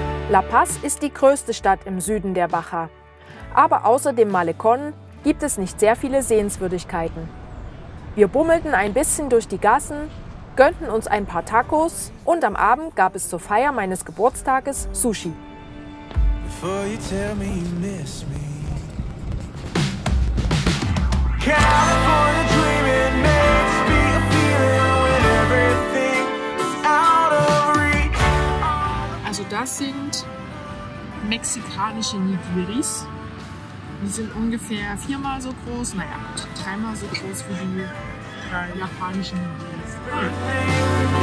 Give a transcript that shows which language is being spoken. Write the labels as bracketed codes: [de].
[de] La Paz ist die größte Stadt im Süden der Baja. Aber außer dem Malecón gibt es nicht sehr viele Sehenswürdigkeiten. Wir bummelten ein bisschen durch die Gassen, gönnten uns ein paar Tacos und am Abend gab es zur Feier meines Geburtstages Sushi. [en] Before you tell me you miss me. California dreaming makes me a feeling when everything is out of reach. [de] Also das sind mexikanische Nigiris. Die sind ungefähr viermal so groß, naja, dreimal so groß wie die drei japanischen Nigiris.